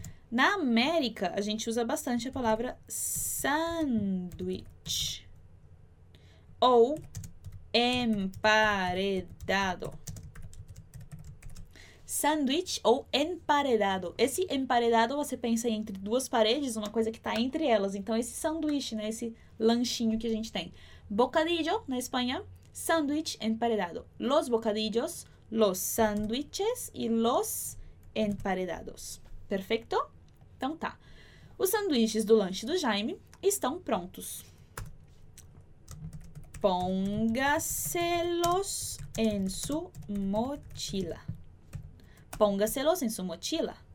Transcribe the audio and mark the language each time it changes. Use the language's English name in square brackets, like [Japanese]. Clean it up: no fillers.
[Portuguese] Na América, a gente usa bastante a palavra sandwich ou emparedado. Sandwich ou emparedado. Esse emparedado, você pensa entre duas paredes, uma coisa que está entre elas. Então, esse sanduíche, né? Esse lanchinho que a gente tem. Bocadillo, na Espanha. Sandwich emparedado. [Spanish] Los bocadillos, los sandwiches e los emparedados. [Portuguese] Perfeito? Então tá. Os sanduíches do lanche do Jaime estão prontos. [Spanish] Póngaselos en su mochila. Póngaselos en su mochila.